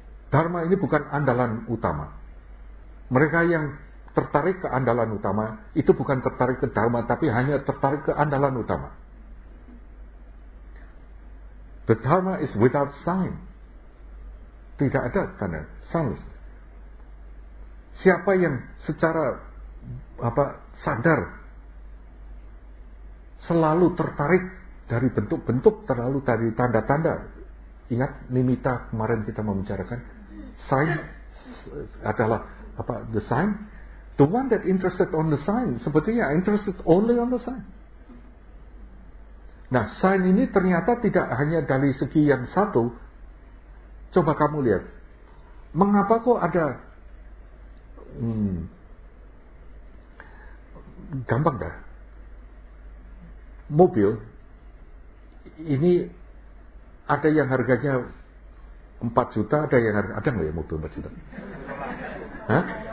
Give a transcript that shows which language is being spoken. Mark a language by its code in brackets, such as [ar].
[id] Dharma ini bukan andalan utama. Mereka yang tertarik ke andalan utama, itu bukan tertarik ke Dharma, tapi hanya tertarik ke andalan utama. [en] The Dharma is without sign. [id] Tidak ada tanda, signless. Siapa yang secara sadar selalu tertarik dari bentuk-bentuk, terlalu dari tanda-tanda. Ingat Nimitta kemarin kita membicarakan sign adalah [en] the sign. The one that interested on the sign, sebetulnya interested only on the sign. [id] Nah, sign ini ternyata tidak hanya dari segi yang satu. Coba kamu lihat, mengapa kok ada gampang dah. Mobil ini ada yang harganya 4 juta, ada yang harga, ada enggak ya mobil 4 juta? Hah?